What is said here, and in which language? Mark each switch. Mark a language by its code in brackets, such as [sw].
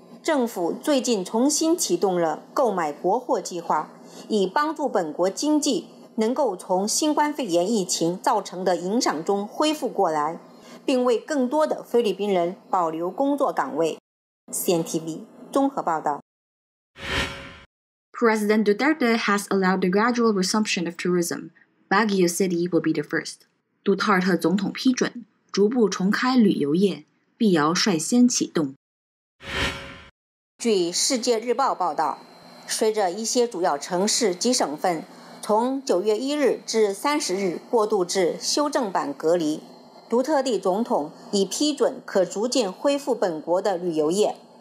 [zh] 政府最近重新启动了购买国货计划，以帮助本国经济能够从新冠肺炎疫情造成的影响中恢复过来，并为更多的菲律宾人保留工作岗位。 CNTV 综合报道。 [en] President Duterte has allowed the gradual resumption of tourism. Baguio City will be the first. [zh] 杜特尔特总统批准逐步重开旅游业，碧瑶率先启动。据《世界日报》报道，随着一些主要城市及省份从9月1日至30日过渡至修正版隔离，杜特地总统已批准可逐渐恢复本国的旅游业。